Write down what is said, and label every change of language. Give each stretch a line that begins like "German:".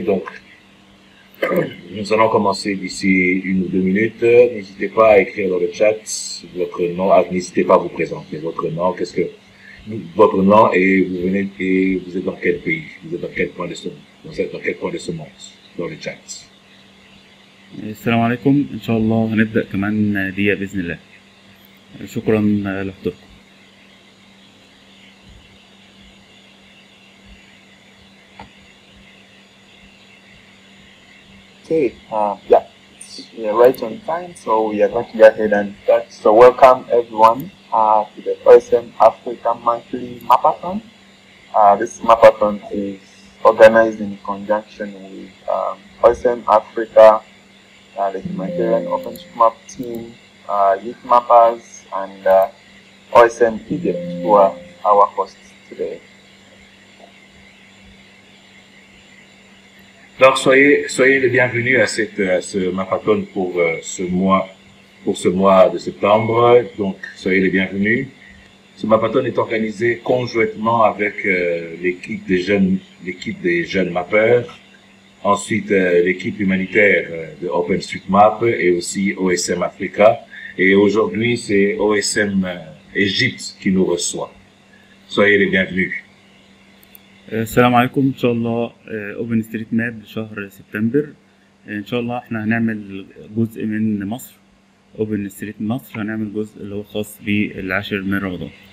French: Donc, nous allons commencer d'ici 1 ou 2 minutes. N'hésitez pas à écrire dans le chat votre nom, n'hésitez pas à vous présenter votre nom, qu'est-ce que votre nom et vous venez et vous êtes dans quel pays, vous êtes dans quel point de ce monde, vous êtes dans quel point de ce monde dans le chat.
Arabic: السلام عليكم, ان شاء الله هنبدا كمان دقيقه باذن الله. شكرا لحضوركم.
English: Okay, we're right on time, so we are going to go ahead and start. So welcome everyone to the OSM Africa Monthly Mapathon. This Mapathon is organized in conjunction with OSM Africa, the Humanitarian Openship Map Team, Youth Mappers, and OSM Egypt, who are our hosts today.
French: Donc soyez les bienvenus à ce marathon pour ce mois de septembre. Donc soyez les bienvenus. Ce marathon est organisé conjointement avec l'équipe des jeunes mappeurs, ensuite l'équipe humanitaire de OpenStreetMap et aussi OSM Africa. Et aujourd'hui c'est OSM Égypte qui nous reçoit. Soyez les bienvenus.
Arabic: السلام عليكم, ان شاء الله اوبن ستريت ماب شهر سبتمبر, ان شاء الله احنا هنعمل جزء من مصر, اوبن ستريت مصر هنعمل جزء اللي هو خاص بالعاشر من رمضان.